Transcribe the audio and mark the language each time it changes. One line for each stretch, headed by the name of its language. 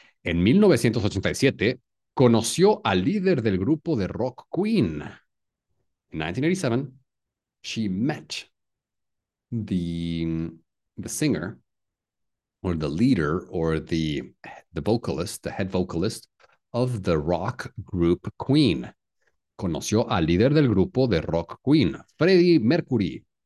Spanish: En 1987, conoció al líder del grupo de rock Queen.
English: In 1987, she met the singer or the leader or the vocalist, the head vocalist of the rock group Queen.
Spanish: Conoció al líder del grupo de rock Queen, Freddie Mercury.